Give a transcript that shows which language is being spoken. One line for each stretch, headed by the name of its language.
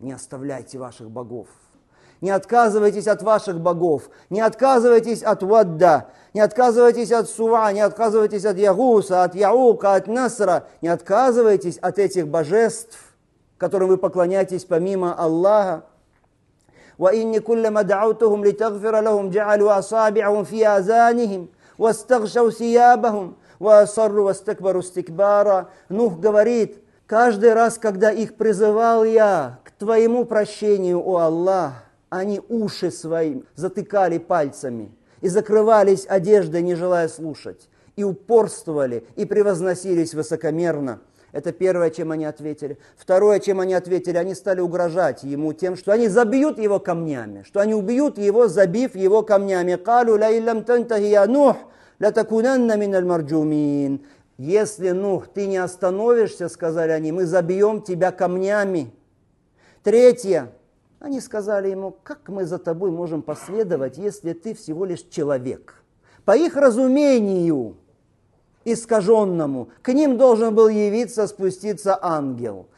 Russian: Не оставляйте ваших богов. Не отказывайтесь от ваших богов. Не отказывайтесь от Вадда. Не отказывайтесь от Суа. Не отказывайтесь от Ягуса, от Яука, от Насра. Не отказывайтесь от этих божеств, которым вы поклоняетесь помимо Аллаха.
Arabic: وإني كلما دعوتهم لتغفر لهم جعلوا أصابعهم في آذانهم واستغشوا ثيابهم وأصروا واستكبروا استكبارا.
Russian: Нух говорит: каждый раз, когда их призывал я к твоему прощению, о Аллах, они уши свои затыкали пальцами и закрывались одеждой, не желая слушать, и упорствовали, и превозносились высокомерно. Это первое, чем они ответили. Второе, чем они ответили, они стали угрожать ему тем, что они забьют его камнями, что они убьют его, забив его камнями.
Arabic: قالوا لئن لم تنتهي يا نوح لتكونن من المرجومين.
Russian: Если, Нух, ты не остановишься, сказали они, мы забьем тебя камнями. Третье, они сказали ему: как мы за тобой можем последовать, если ты всего лишь человек? По их разумению, искаженному. К ним должен был явиться, спуститься ангел.